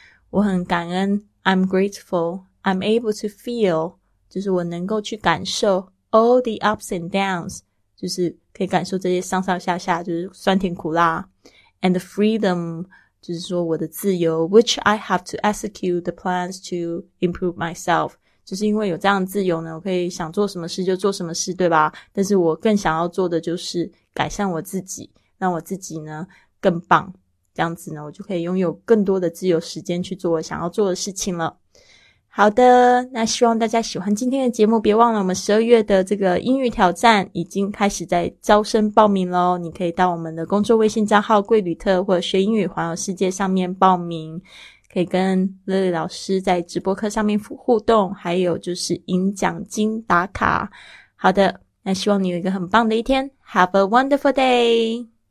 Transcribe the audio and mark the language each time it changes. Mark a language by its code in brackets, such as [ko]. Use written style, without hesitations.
[zh] 我很感恩 [en] I'm grateful. I'm able to feel, [zh] 就是我能够去感受 [en] all the ups and downs, [zh] 就是可以感受这些上上下下就是酸甜苦辣 [en] and the freedom, [zh] 就是说我的自由 [en] which I have to execute the plans to improve myself. [zh] 就是因为有这样的自由呢我可以想做什么事就做什么事对吧但是我更想要做的就是改善我自己让我自己呢更棒这样子呢我就可以拥有更多的自由时间去做我想要做的事情了好的那希望大家喜欢今天的节目别忘了我们12月的这个英语挑战已经开始在招生报名咯你可以到我们的公众微信账号贵旅特或者学英语环游世界上面报名可以跟 Lily 老师在直播课上面互动还有就是赢奖金打卡好的那希望你有一个很棒的一天 [en] Have a wonderful day